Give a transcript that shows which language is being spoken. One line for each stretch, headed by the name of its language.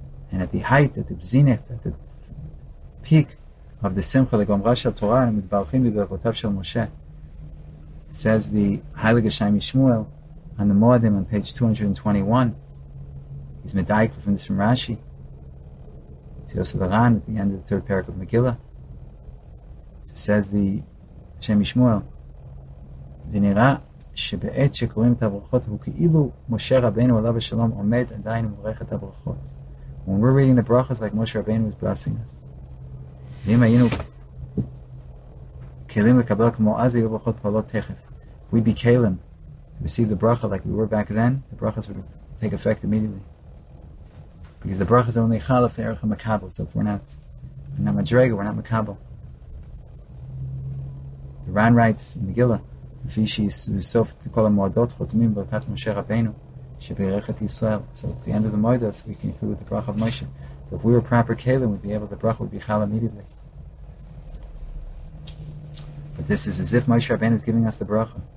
English: And at the height, at the zenith, at the peak of the Simcha LeGomra Shel Torah, and Midbarachim LeBerachotav Shel Moshe, says the Heilige Shem Yishmuel on the Moedim on page 221. He's Medayik from this from Rashi. It's Yosef Aran at the end of the third parak of Megillah. So says the Shem Yishmuel,
Hebrew: ונראה שבעת שקוראים את הברכות הוא כאילו משה רבנו עליו השלום עומד עדיין ומברך את הברכות.
English: When we're reading the brachas like Moshe Rabbeinu is blessing us.
Hebrew: ואם היינו כלים לקבל כמו אז היו ברכות פעולות תכף.
English: If we'd be kelim to receive the bracha like we were back then, the brachas would take effect immediately. Because the brachas are only chalaf erech ha-makabel, so if we're not madrega, we're not makabel. The Ran writes in Megillah,
Hebrew: לפי שיסוף כל המועדות חותמים ברכת משה רבנו שבירך את ישראל.
English: So at the end of the Moedos we can include the brach of Moshe. So if we were proper Kalim we'd be able to brach would be chal immediately. But this is as if Moshe Rabbeinu is giving us the brach.